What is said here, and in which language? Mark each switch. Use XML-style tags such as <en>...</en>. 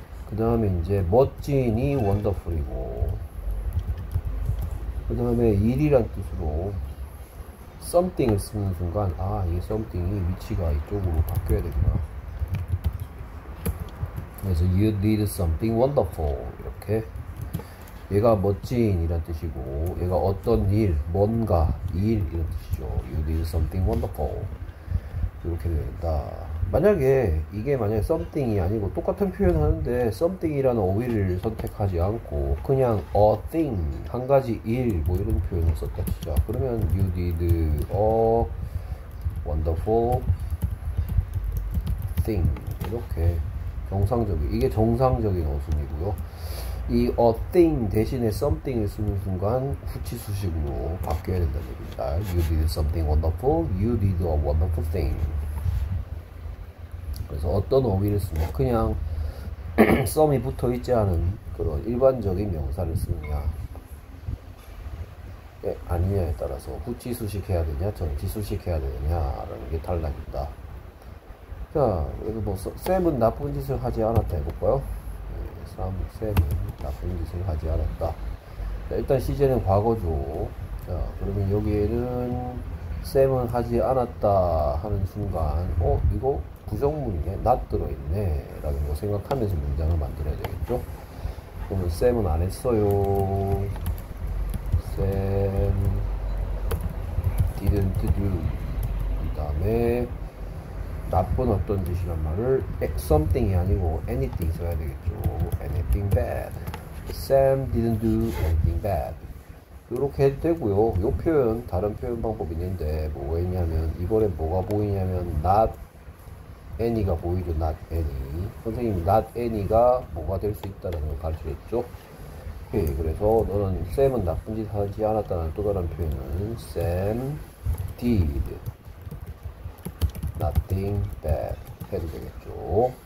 <ko>그 다음에 이제 멋진이 wonderful이고, 그 다음에 일이란 뜻으로 something을 쓰는 순간, 아, 이 something이 위치가 이쪽으로 바뀌어야 되구나.</ko> <en>그래서 you did something wonderful 이렇게.</en> <ko>얘가 멋진이란 뜻이고, 얘가 어떤 일, 뭔가, 일 이런 뜻이죠.</ko> <en>you did something wonderful</en> <ko>이렇게 된다. 만약에 이게 만약에 something이 아니고 똑같은 표현하는데 something이라는 어휘를 선택하지 않고 그냥 a thing, 한 가지 일뭐 이런 표현을 썼다 치자. 그러면</ko> <en>you did a wonderful thing</en> <ko>이렇게 정상적인, 이게 정상적인 어순이고요. 이 a thing 대신에 something을 쓰는 순간 후치수식으로 바뀌어야 된다는 얘기입니다.</ko> <en>you did something wonderful, you did a wonderful thing.</en> <ko>그래서 어떤 어휘를 쓰냐, 그냥 썸이 붙어 있지 않은 그런 일반적인 명사를 쓰느냐, 예, 아니냐에 따라서 후치 수식해야 되냐, 전치 수식해야 되냐라는 게 달라진다. 자, 그래서 뭐 쌤은 나쁜 짓을 하지 않았다 해볼까요? 예, 쌤은 나쁜 짓을 하지 않았다. 자, 일단 시제는 과거죠. 자, 그러면 여기에는 쌤은 하지 않았다 하는 순간, 이거 부정문이네, not 들어있네 라는 거 생각하면서 문장을 만들어야 되겠죠. 그러면 쌤은 안 했어요. 쌤</ko> <en>didn't do.</en> <ko>그 다음에 나쁜 어떤 짓이란 말을 something이 아니고 anything 써야 되겠죠.</ko> <en>anything bad, Sam didn't do anything bad.</en> <ko>이렇게 해도 되고요. 요 표현, 다른 표현 방법 있는데, 뭐가 있냐면 이번에 뭐가 보이냐면 not any가 보이죠.</ko> <en>not any.</en> <ko>선생님이 not any가 뭐가 될수 있다는 걸 가르쳐줬죠. 오케이. 그래서 너는, 쌤은 나쁜 짓 하지 않았다는 또 다른 표현은</ko> <en>Sam did nothing bad</en> <ko>해도 되겠죠.</ko>